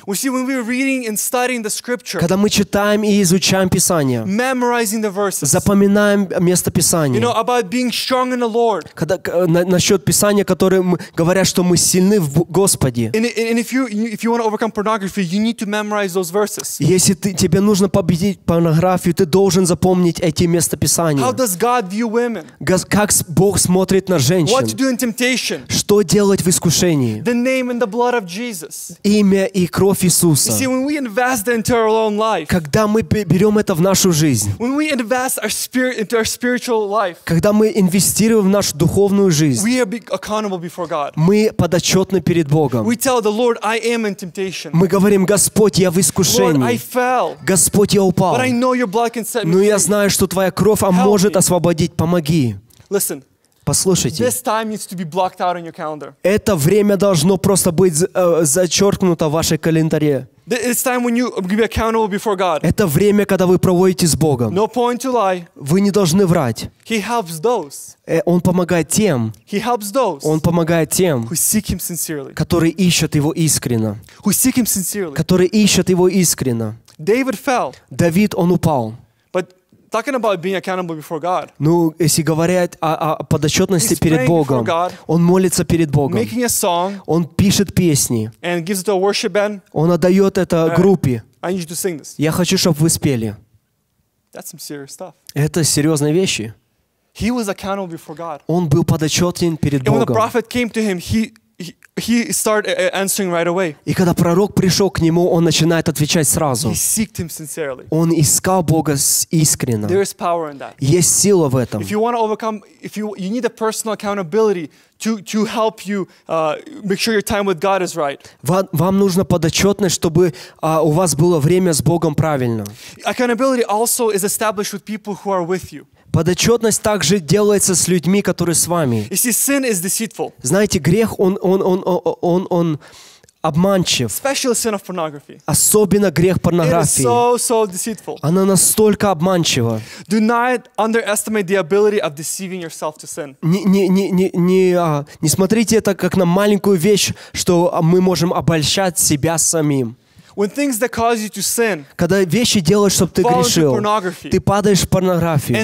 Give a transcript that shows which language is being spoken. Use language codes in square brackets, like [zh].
[en] We see, when we're reading and studying the scripture, [ru] когда мы читаем и изучаем Писание, [en] memorizing the verses, [ru] запоминаем место Писания, [en] you know, about being strong in the Lord. [ru] Когда насчет Писания, которые говорят, что мы сильны в Господе. [en] If you want to overcome pornography, you need to memorize those verses. [ru] Если тебе нужно победить порнографию, ты должен запомнить эти места Писания. [en] How does God view women? [ru] Как Бог смотрит на женщин? [en] What to do in temptation? [ru] Что делать в искушении? [en] The name and the blood of Jesus. [ru] Имя и кровь Иисуса. [en] You see, when we invest into our own life. [ru] Когда мы берем это в нашу жизнь. [en] When we invest our spirit into our spiritual life. [ru] Когда мы инвестируем в нашу духовную жизнь. [en] We are accountable before God. [ru] Мы подотчетны перед Богом. [en] We tell the Lord, I am in temptation. [ru] Мы говорим, Господь, я в искушении. [en] Lord, I fell. [ru] Господь, я упал. [en] But I know Your blood can set me. [ru] Но я знаю, что Твоя кровь может освободить. Помоги. [en] Listen. [ru] Послушайте. [en] This time needs to be blocked out on your calendar. [ru] Это время должно просто быть зачеркнуто в вашей календаре. [en] It's time when you be accountable before God. [ru] Это время, когда вы проводите с Богом. [en] No point to lie. [ru] Вы не должны врать. [en] He helps those. [ru] Он помогает тем. [en] He helps those. [ru] Он помогает тем, [en] who seek Him sincerely. [ru] Которые ищут Его искренно. [en] Who seek Him sincerely. [ru] Которые ищут Его искренно. [en] David fell. [ru] Давид, он упал. [en] But talking about being accountable before God. [ru] Ну, если говорить о подотчетности перед Богом, [en] God, [ru] он молится перед Богом. [en] Making a song, [ru] он пишет песни. [en] And gives it to a worship band. [ru] Он отдает это группе. [en] I need you to sing this. [ru] Я хочу, чтобы вы спели. [en] That's some serious stuff. [ru] Это серьезные вещи. [en] He was accountable before God. [ru] Он был подотчетен перед [en] and [ru] Богом. [en] When the prophet came to him, he started answering right away. [ru] И когда пророк пришел к нему, он начинает отвечать сразу. [en] He seeked Him sincerely. [ru] Он искал Бога искренно. [en] There is power in that. [ru] Есть сила в этом. [en] If you want to overcome, if you need a personal accountability to help you make sure your time with God is right. [ru] Вам нужно подотчетность, чтобы у вас было время с Богом правильно. [en] Accountability also is established with people who are with you. [ru] Подотчетность также делается с людьми, которые с вами. Знаете, грех, он обманчив. [en] Especially sin of pornography. [ru] Особенно грех порнографии. [en] It is so deceitful. [ru] Она настолько обманчива. [en] Do not underestimate the ability of deceiving yourself to sin. [ru] Не смотрите это как на маленькую вещь, что мы можем обольщать себя самим. [en] When things that cause you to sin, [ru] когда вещи делают, чтобы ты грешил, ты падаешь в порнографию.